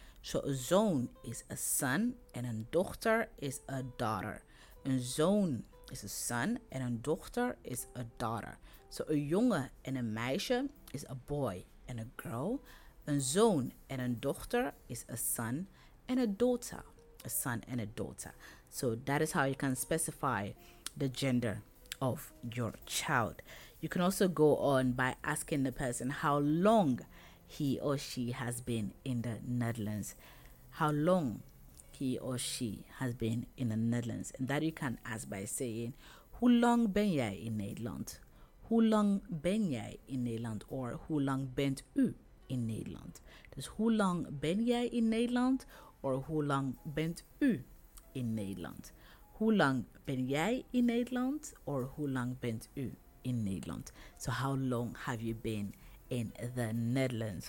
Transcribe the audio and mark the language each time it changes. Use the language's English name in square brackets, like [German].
[English] So a zoon is a son and a dochter is a daughter. Een zoon is a son and a dochter is a daughter. So a [Dutch] jongen en een meisje [English] is a boy and a girl. [Dutch] Een zoon en een dochter [English] is a son and a daughter. A son and a daughter. So that is how you can specify the gender of your child. You can also go on by asking the person how long he or she has been in the Netherlands. How long he or she has been in the Netherlands. And that you can ask by saying, [Dutch] hoe lang ben jij in Nederland? Hoe lang ben jij in Nederland? Or hoe lang bent u in Nederland? Dus hoe lang ben jij in Nederland? Or hoe lang bent u in Nederland? Hoe lang ben jij in Nederland? Or hoe lang bent u in Nederland? [English] So how long have you been in the Netherlands?